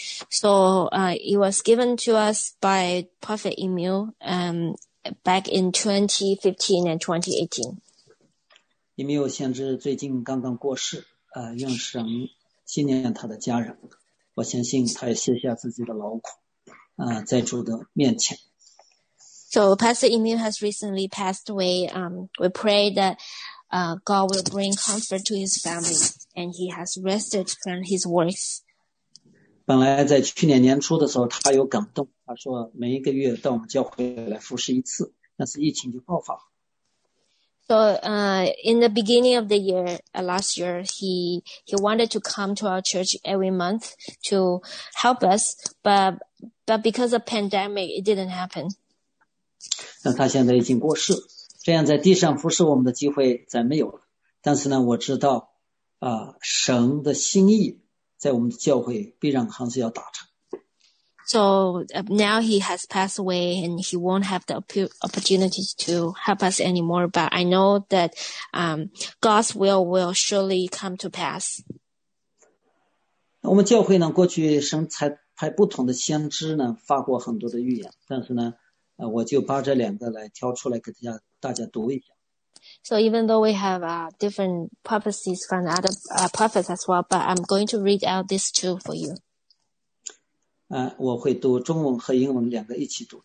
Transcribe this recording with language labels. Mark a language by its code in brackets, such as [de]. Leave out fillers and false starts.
[en] So, it was given to us by Prophet Emil, back in 2015 and 2018. [zh] 以缪先知最近刚刚过世，愿神纪念他的家人。我相信他也卸下自己的劳苦，在主的面前。 [en] So Pastor Emil has recently passed away. We pray that God will bring comfort to his family and he has rested from his works. [zh] 本来在去年年初的时候他有感动，他说每一个月到我们教会来服侍一次，但是疫情就爆发。 [en] So in the beginning of the year, last year, he wanted to come to our church every month to help us, but because of pandemic, it didn't happen. [zh] 那他现在已经过世，这样在地上服侍我们的机会再没有了。但是呢，我知道，神的心意在我们的教会必然还是要达成。 [en] So now he has passed away, and he won't have the opportunity to help us anymore. But I know that God's will surely come to pass. [zh] 我们教会呢，过去神才派不同的先知呢，发过很多的预言，但是呢。我就把这两个来挑出来给大家读一下。 [en] So even though we have different prophecies from other prophets as well, but I'm going to read out these two for you. [zh] 我会读中文和英文两个一起读。